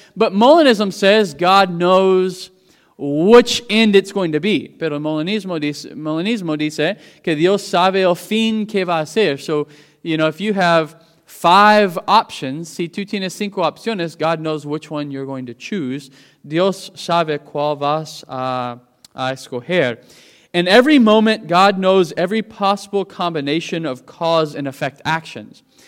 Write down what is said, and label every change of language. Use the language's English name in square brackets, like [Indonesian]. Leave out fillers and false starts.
[English] But Molinism says God knows which end it's going to be. [Spanish] Pero Molinismo dice que Dios sabe el fin que va a ser. [English] So, you know, if you have five options, [Spanish] si tú tienes cinco opciones, [English] God knows which one you're going to choose. [Spanish] Dios sabe cuál vas a escoger. [English] In every moment, God knows every possible combination of cause and effect actions.